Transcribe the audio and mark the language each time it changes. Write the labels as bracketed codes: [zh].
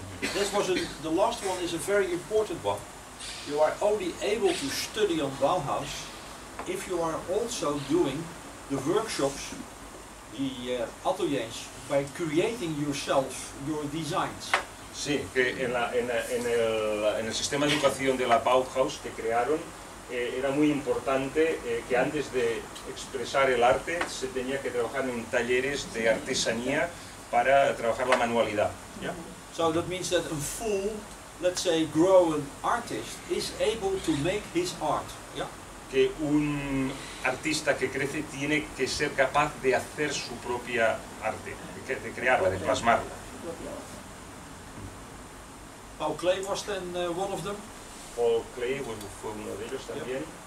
[en] This was the last one is a very important one. You are only able to study on Bauhaus if you are also doing the workshops, the ateliers, by creating yourself your designs. [es] Sí, que en el sistema de educación de la Bauhaus que crearon, era muy importante que antes de expresar el arte se tenía que trabajar en talleres de artesanía para trabajar la manualidad. [en] Yeah. So that means that a full, let's say, grown artist is able to make his art. Yeah. [es] Que un artista que crece tiene que ser capaz de hacer su propia arte, de crearla, de plasmarla. [en] Paul Klee was then one of them. [es] Paul Klee fue uno de ellos también.